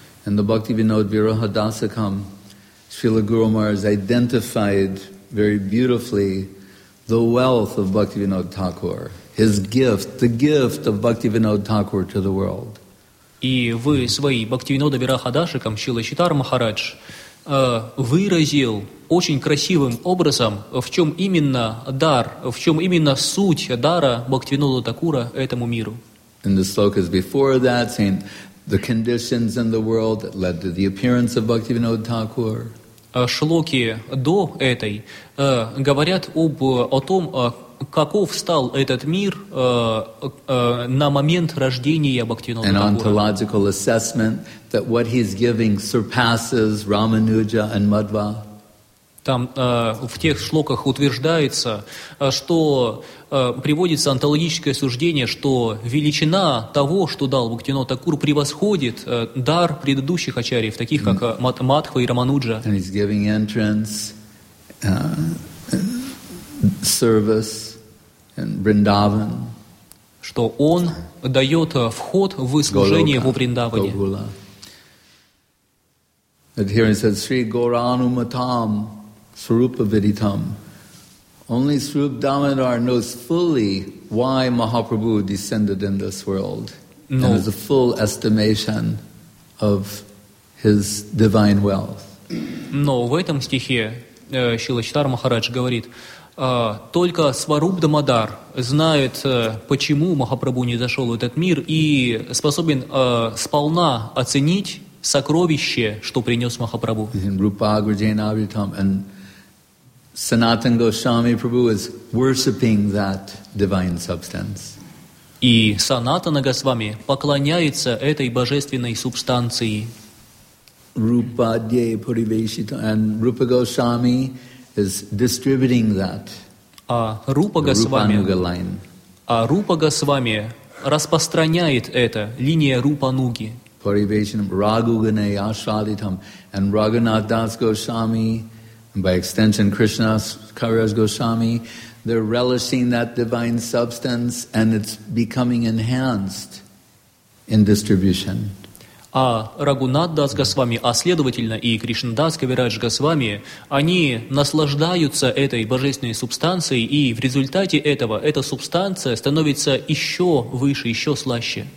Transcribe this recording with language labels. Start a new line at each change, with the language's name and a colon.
English: And the Bhakti Vinod Virahadasakam, Srila Guru Maharaj identified very beautifully the wealth of Bhakti Vinod Thakur, his gift, the gift of Bhakti Vinod Thakur to the world.
Russian: И в своей Бхактивинода Вирахадашикам Шрила Читар Махарадж выразил очень красивым образом, в чем именно дар, в чем именно суть дара Бхактивинода Такура этому миру.
English: In the slokas before that, saying the conditions in the world that led to the appearance of Bhaktivinoda Thakur.
Russian: Шлоки до этой говорят о том, каков стал этот мир на момент рождения Бхактивинода
English: Такура. An ontological assessment that what he's giving surpasses Ramanuja and Madhva.
Russian: Там в тех шлоках утверждается, что приводится онтологическое суждение, что величина того, что дал Бхактивинода Такура, превосходит дар предыдущих ачарьев, таких как Мадхва и Рамануджа.
English: And he's giving entrance, service, and Vrindavan.
Russian: Что он дает вход в служение во Вриндаване.
English: Gogula. And here he says,
Sanskrit: Sri Gauranumatam, Sarupaviditam.
English: Only Srupa Damodar knows fully why Mahaprabhu descended in this world. No. And has a full estimation of his divine wealth.
Russian: Но в этом стихе Шрила Читара Махарадж говорит, только Сваруп Дамодар знает, почему Махапрабху не зашел в этот мир и способен сполна оценить сокровище, что принес Махапрабху.
Sanskrit: Рупаграджен Абритам, and
English: Sanatan Goswami Prabhu is worshipping that divine substance.
Russian: И Санатана Госвами поклоняется этой божественной субстанции.
Sanskrit: Rupadye Purivesita,
English: and Rupa Goswami is distributing that.
Russian: А Рупа Госвами. А Рупа Госвами распространяет это, линия Рупануги.
Sanskrit: Purivesham Raghugane Ashvalitam,
English: and Raghunath Das Goswami, and by extension Krishna Kaviraj Goswami, they're relishing that divine substance and it's becoming enhanced in distribution.
Russian: А Рагунат Дас Госвами, а следовательно и Кришнадас Кавирадж Госвами, они наслаждаются этой божественной субстанцией, и в результате этого эта субстанция становится еще выше, еще слаще.